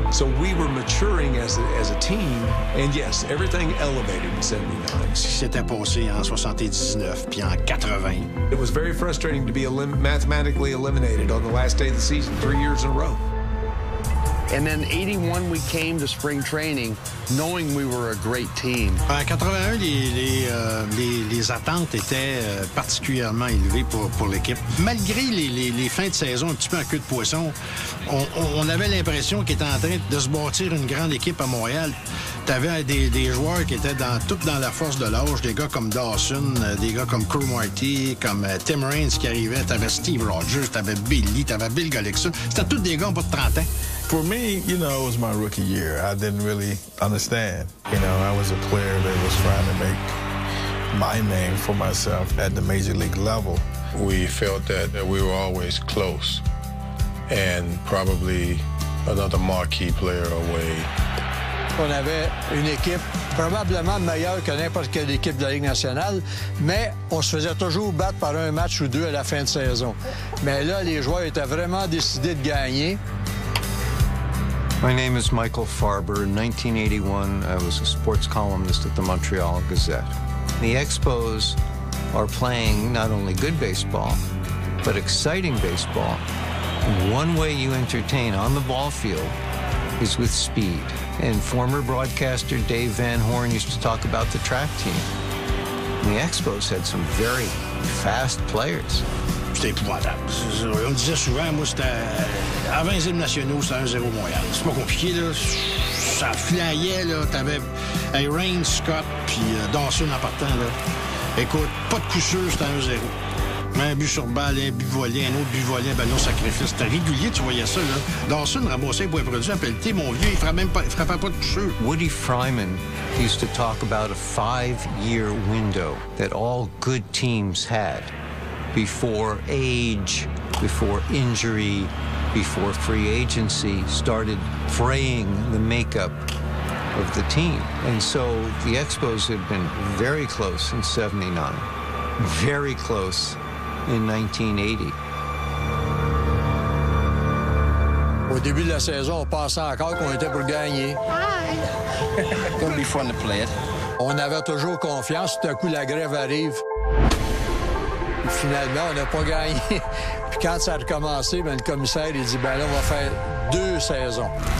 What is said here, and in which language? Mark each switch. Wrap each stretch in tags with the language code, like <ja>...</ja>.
<en>So we were maturing as a team, and yes, everything elevated in 79.</en> <fr>C'était passé en 79, puis en 80.</fr> <en>It was very frustrating to be mathematically eliminated on the last day of the season, 3 years in a row. And then 81, we came to spring training knowing we were a great team.</en> <fr>En 81, les attentes étaient particulièrement élevées pour l'équipe. Malgré les fins de saison un petit peu en queue de poisson, on avait l'impression qu'ils étaient en train de se bâtir une grande équipe à Montréal. Tu avais des joueurs qui étaient dans la force de l'âge, des gars comme Dawson, des gars comme Cromarty, comme Tim Raines qui arrivait. Tu avais Steve Rogers, tu avais Billy, tu avais Bill Golixon. C'était tous des gars en bas de 30 ans.</fr> <en>For me, you know, it was my rookie year. I didn't really understand. You know, I was a player that was trying to make my name for myself at the major league level. We felt that we were always close and probably another marquee player away.</en> <fr>On avait une équipe probablement meilleure que n'importe quelle équipe de la Ligue nationale, mais on se faisait toujours battre par un match ou deux à la fin de saison. Mais là, les joueurs étaient vraiment décidés de gagner.</fr> <en>My name is Michael Farber. In 1981, I was a sports columnist at the Montreal Gazette. The Expos are playing not only good baseball, but exciting baseball. And one way you entertain on the ball field is with speed. And former broadcaster Dave Van Horn used to talk about the track team. And the Expos had some very fast players.</en> <fr>C'était épouvantable. On disait souvent, moi, c'était... Avant les hymnes nationaux, c'était 1-0 Montréal. C'est pas compliqué, là. Ça flyait, là. T'avais Rain Scott, puis Dawson en partant, là. Écoute, pas de coup sûr, c'était 1-0. Un but sur balle, un but volé, un autre but volé, ballon sacrifice. C'était régulier, tu voyais ça, là. Dawson ramassait un point produit en pelleté, mon vieux. Il ferait même pas, il ferait pas de coup sûr.</fr> <en>Woody Freiman used to talk about a 5-year window that all good teams had. Before age, before injury, before free agency started fraying the makeup of the team. And so the Expos had been very close in 79, very close in 1980.</en> <fr>Au début de la saison, on pensait encore qu'on était pour gagner.</fr> <en>Hi! Gonna be fun to play it.</en> <fr>On avait toujours confiance. Tout à coup, la grève arrive. Finalement, on n'a pas gagné. Puis quand ça a recommencé, ben, le commissaire il dit, ben là, on va faire deux saisons.</fr>